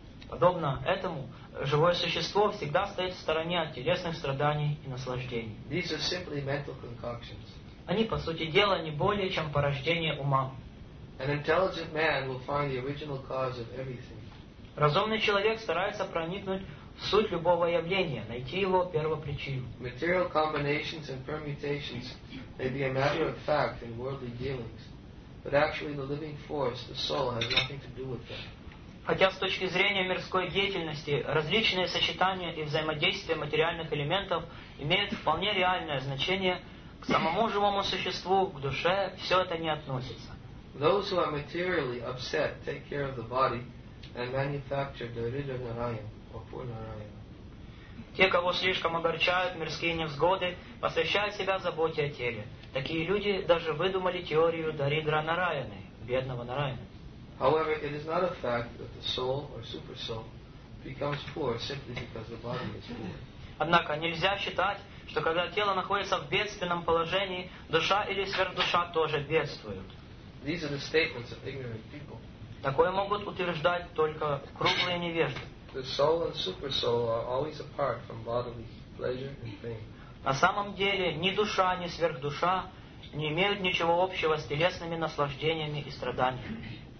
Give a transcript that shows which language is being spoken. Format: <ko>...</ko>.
<ru>Подобно этому, живое существо всегда стоит в стороне от телесных страданий и наслаждений.</ru> <en>These are simply mental concoctions.</en> <ru>Они, по сути дела, не более чем порождение ума.</ru> <en>An intelligent man will find the original cause of everything.</en> <ru>Разумный человек старается проникнуть в суть любого явления, найти его первопричину.</ru> <en>Material combinations and permutations may be a matter of fact in worldly dealings, but actually the living force, the soul, has nothing to do with them.</en> <ru>Хотя с точки зрения мирской деятельности различные сочетания и взаимодействия материальных элементов имеют вполне реальное значение, к самому живому существу, к душе, все это не относится.</ru> <en>Those who are materially upset take care of the body and manufacture the Rida Narayan or Purnarayan.</en> <ru>Те, кого слишком огорчают мирские невзгоды, посвящают себя заботе о теле. Такие люди даже выдумали теорию Даридра Нараяны, бедного Нараяна.</ru> <en>However, it is not a fact that the soul or super soul becomes poor simply because the body is poor.</en> <ru>Однако нельзя считать, что когда тело находится в бедственном положении, душа или сверхдуша тоже бедствуют.</ru> <en>These are the statements of ignorant people.</en> <ru>Такое могут утверждать только круглые невежды.</ru> <en>The soul and super soul are always apart from bodily pleasure and pain.</en> <ru>На самом деле, ни душа, ни сверхдуша не имеют ничего общего с телесными наслаждениями и страданиями.</ru>